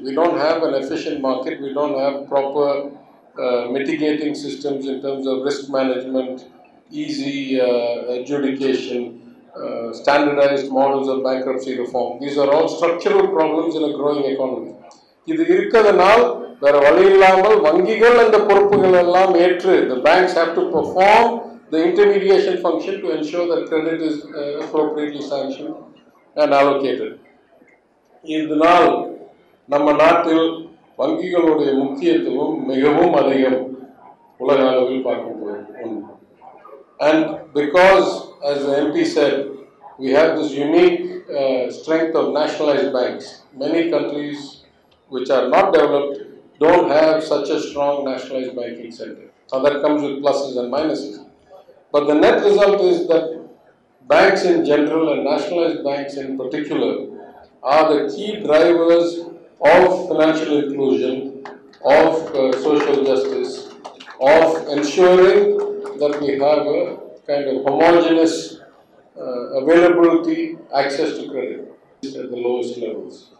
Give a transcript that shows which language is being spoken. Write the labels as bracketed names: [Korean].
[English] We don't have an efficient market, we don't have proper mitigating systems in terms of risk management, easy adjudication, standardized models of bankruptcy reform. These are all structural problems in a growing economy. [Tamil] இது இருக்கிறதுனால் வேற வழி இல்லாமல் வங்கிகள் அந்த பொறுப்புகள் எல்லாம் ஏற்று, [English] the banks have to perform the intermediation function to ensure that credit is appropriately sanctioned and allocated. [Tamil] இதனால் நம்ம நாட்டில் வங்கிகளுடைய முக்கியத்துவம் மிகவும் அதிகம் உலக அளவில் பார்க்கும்போது. [English] And because, as the MP said, we have this unique strength of nationalized banks, many countries which are not developed don't have such a strong nationalized banking center. Now that comes with pluses and minuses. But the net result is that banks in general and nationalized banks in particular are the key drivers of financial inclusion, of social justice, of ensuring that we have a kind of homogeneous availability, access to credit at the lowest levels.